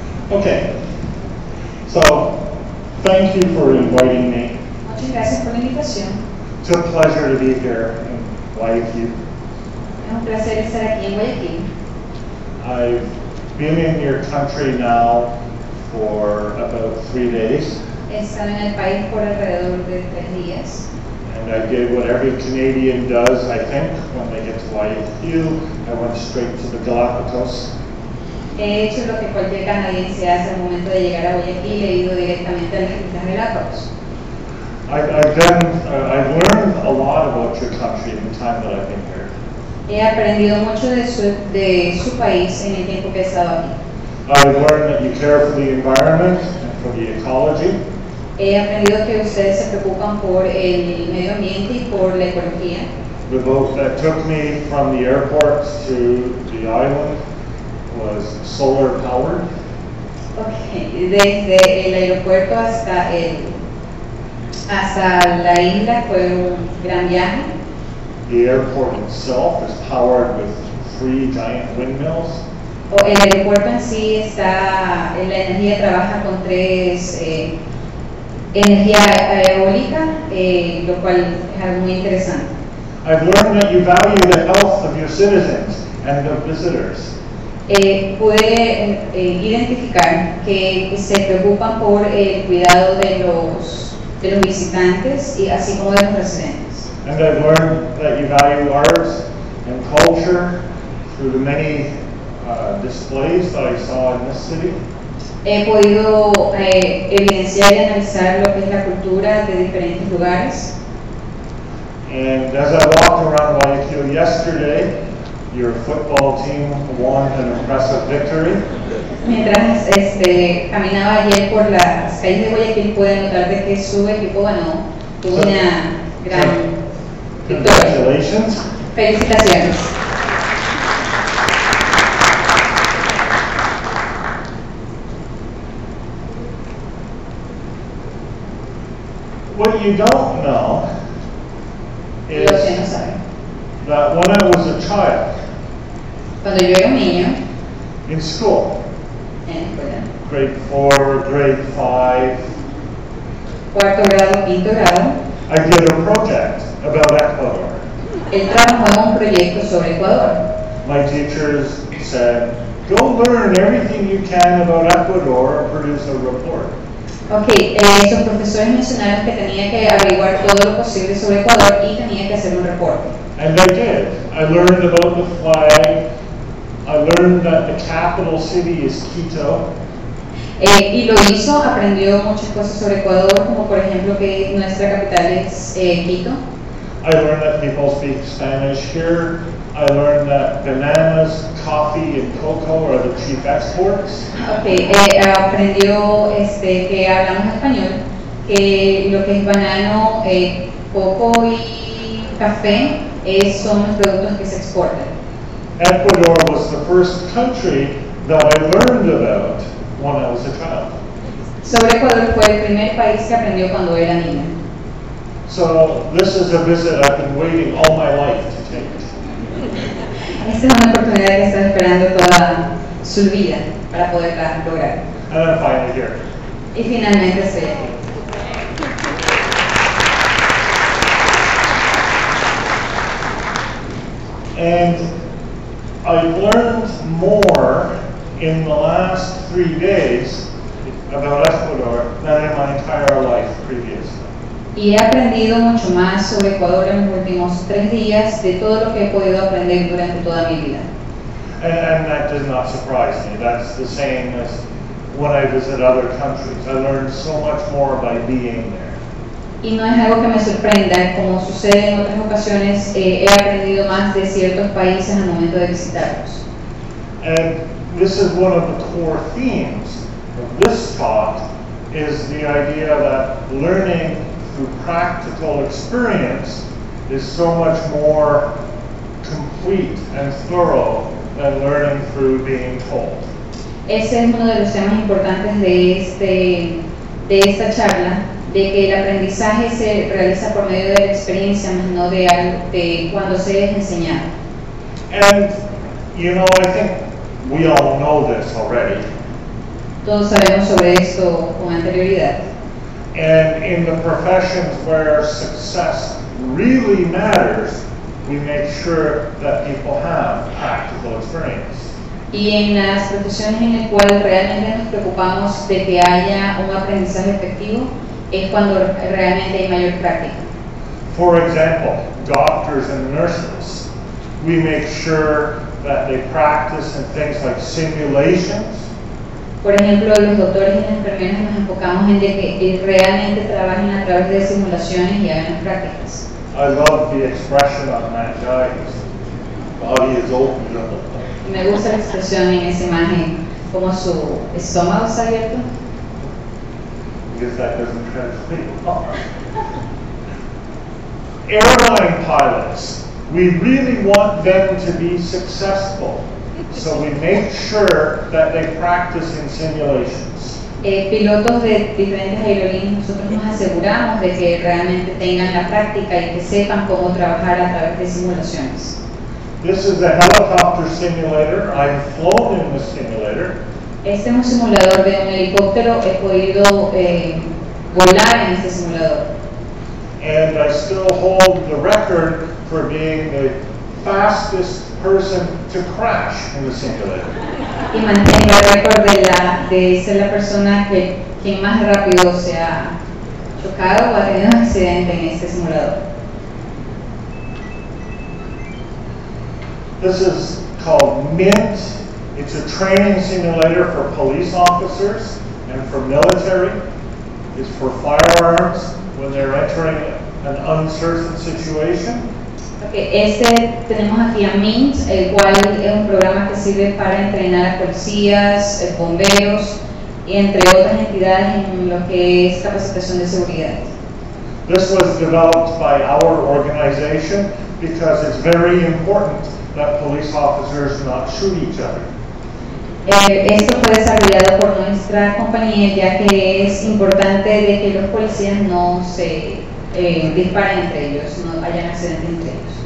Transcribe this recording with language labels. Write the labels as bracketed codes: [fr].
[en] Okay, so thank you for inviting me. [es] Muchas gracias por la invitación. [en] It's a pleasure to be here in Guayaquil. [es] Es un placer estar aquí en Guayaquil. [en] I've been in your country now for about 3 days. [es] He estado en el país por alrededor de 3 días. [en] And I did what every Canadian does, I think, when they get to Guayaquil. I went straight to the Galapagos. [es] He hecho lo que cualquier canadiense hace al momento de llegar a Guayaquil, he ido directamente a las Islas Galápagos. [en] I've learned a lot about your country in the time that I've been here. [es] He aprendido mucho de su país en el tiempo que he estado aquí. [en] I've learned that you care for the environment and for the ecology. [es] He aprendido que ustedes se preocupan por el medio ambiente y por la ecología. [en] The boat that took me from the airport to the island was solar powered. [es] Okay, desde el aeropuerto hasta la isla fue un gran viaje. [en] The airport itself is powered with 3 giant windmills. [es] Oh, el aeropuerto en sí está, la energía trabaja con 3 energía eólica, lo cual es algo muy interesante. [en] I've learned that you value the health of your citizens and the visitors. [es] Puede identificar que se preocupan por el cuidado de los visitantes y así como de los residentes. [en] And I've learned that you value art and culture through the many displays that I saw in this city. [es] He podido evidenciar y analizar lo que es la cultura de diferentes lugares. [en] And as I walked around Guayaquil yesterday, your football team won an impressive victory. [es] Mientras caminaba ayer por las calles de Guayaquil, pude notar de que su equipo ganó. Tuvo una gran victoria. [en] Congratulations. [es] Felicitaciones. [en] What you don't know is that when I was a child, [es] cuando yo era un niño, [en] in school, grade 4, grade 5, [es] cuarto grado, quinto grado, [en] I did a project about Ecuador. [es] Él trabajó en un proyecto sobre Ecuador. [en] My teachers said, go learn everything you can about Ecuador and produce a report. [es] Ok, esos profesores mencionaron que tenía que averiguar todo lo posible sobre Ecuador y tenía que hacer un reporte. [en] And I did. I learned about the flag. I learned that the capital city is Quito. [es] Y lo hizo, aprendió muchas cosas sobre Ecuador, como por ejemplo que nuestra capital es Quito. [en] I learned that people speak Spanish here. I learned that bananas, coffee, and cocoa are the chief exports. [es] Okay, aprendió que hablamos español, que lo que es banano, coco y café son los productos que se exportan. [en] Ecuador was the first country that I learned about when I was a child. [es] Sobre Ecuador fue el primer país que aprendió cuando era niña. [en] So this is a visit I've been waiting all my life to take. [es] Esta es una oportunidad que estaba esperando toda su vida para poderla lograr. [en] And I'm finally here. [es] Y finalmente estoy aquí. [en] And I've learned more in the last 3 days about Ecuador than in my entire life previously. [es] Y he aprendido mucho más sobre Ecuador en los últimos 3 días de todo lo que he podido aprender durante toda mi vida. [en] And that does not surprise me. That's the same as when I visit other countries. I learned so much more by being there. [es] Y no es algo que me sorprenda, como sucede en otras ocasiones, he aprendido más de ciertos países en el momento de visitarlos. [en] And this is one of the core themes of this talk, is the idea that learning through practical experience is so much more complete and thorough than learning through being told. [es] Ese es uno de los temas importantes de esta charla, de que el aprendizaje se realiza por medio de la experiencia, más no de algo, de cuando se es enseñado. [en] And, you know, I think we all know this already. [es] Todos sabemos sobre esto con anterioridad. [en] And in the professions where success really matters, we make sure that people have practical experience. [es] Y en las profesiones en las cuales realmente nos preocupamos de que haya un aprendizaje efectivo, es cuando realmente hay mayor práctica. [en] For example, doctors and nurses, we make sure that they practice in things like simulations. [es] Por ejemplo, los doctores y las enfermeras nos enfocamos en que realmente trabajen a través de simulaciones y hagan prácticas. [en] I love the expression on that guy, his body is open. [es] Me gusta la expresión en esa imagen, como su estómago está abierto. [en] Because that doesn't translate. Airline pilots, we really want them to be successful, so we make sure that they practice in simulations. [es] Pilotos de diferentes aerolíneas, nosotros nos aseguramos de que realmente tengan la práctica y que sepan cómo trabajar a través de simulaciones. [en] This is a helicopter simulator. I've flown in the simulator. [es] Este es un simulador de un helicóptero. He podido volar en este simulador. [en] And I still hold the record for being the fastest person to crash in the simulator. [es] Y mantengo el récord de ser la persona que quien más rápido se ha chocado o ha tenido un accidente en este simulador. [en] This is called MINT. It's a training simulator for police officers and for military. It's for firearms when they're entering an uncertain situation. [es] Okay, este tenemos aquí a MINT, el cual es un programa que sirve para entrenar a policías, bomberos, y entre otras entidades en lo que es capacitación de seguridad. [en] This was developed by our organization because it's very important that police officers not shoot each other. [es] Esto fue desarrollado por nuestra compañía ya que es importante de que los policías no se disparen entre ellos, no hayan accidentes entre ellos.